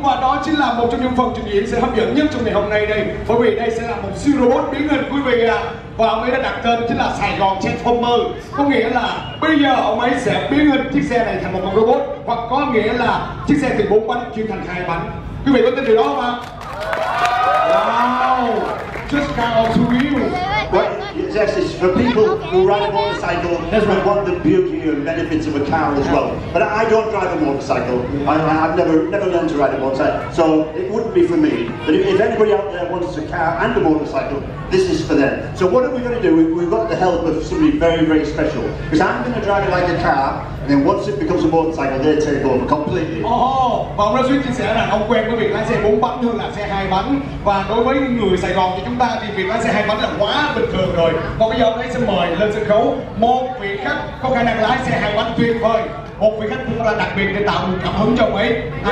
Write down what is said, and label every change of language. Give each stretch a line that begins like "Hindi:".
Vietnamese: Và đó chính là một trong những phần trình diễn sẽ hấp dẫn nhất trong ngày hôm nay đây. Bởi vì đây sẽ là một siêu robot biến hình, quý vị ạ. Và ông ấy đã đặt tên chính là Sài Gòn Transformer. Có nghĩa là bây giờ ông ấy sẽ biến hình chiếc xe này thành một con robot. Hoặc có nghĩa là chiếc xe từ 4 bánh chuyển thành 2 bánh. Quý vị có tin điều đó không ạ?
English: Wow, just kind of surreal. Yes, it's for people who ride a motorcycle. That's right. One of the beauty and benefits of a car as well. But I don't drive a motorcycle. I've never learned to ride a motorcycle. So it wouldn't be for me. But if anybody out there wants a car and a motorcycle, this is for them. So what are we going to do? We've got the help of somebody very, very special. Because I'm going to drive it like a car, and then once it becomes a motorcycle, they take over completely.
Vietnamese: Oh, và ông Rasmus chia sẻ là ông quen với việc lái xe 4 bánh hơn là xe 2 bánh. Và đối với người Sài Gòn thì chúng ta thì việc lái xe 2 bánh là quá bình thường rồi. Và bây giờ ông ấy sẽ mời lên sân khấu một vị khách có khả năng lái xe 2 bánh tuyệt vời. Một vị khách cũng là đặc biệt để tạo một cảm hứng cho ông ấy.